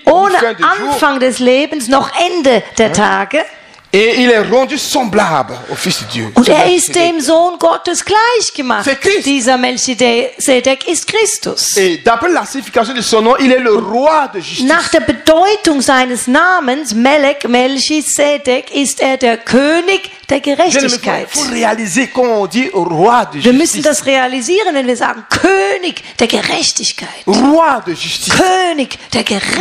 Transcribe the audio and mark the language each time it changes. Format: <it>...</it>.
<de>ohne Anfang des Lebens noch Ende der Tage.</de> <fr>Et il est rendu semblable au Fils de Dieu.</fr> <de>Und er ist dem Sohn Gottes gleichgemacht.</de> <fr>C'est Christ.</fr> <de>Dieser Melchisedek ist Christus.</de> <fr>Et d'après la signification de son nom, il est le roi de justice.</fr> <de>Nach der Bedeutung seines Namens, Melchisedek, ist er der König der Gerechtigkeit.</de> <fr>Faut réaliser quand on dit roi de justice.</fr> <de>Wir müssen das realisieren, wenn wir sagen König der Gerechtigkeit.</de> <fr>Roi de justice.</fr> <de>König der Gerechtigkeit.</de>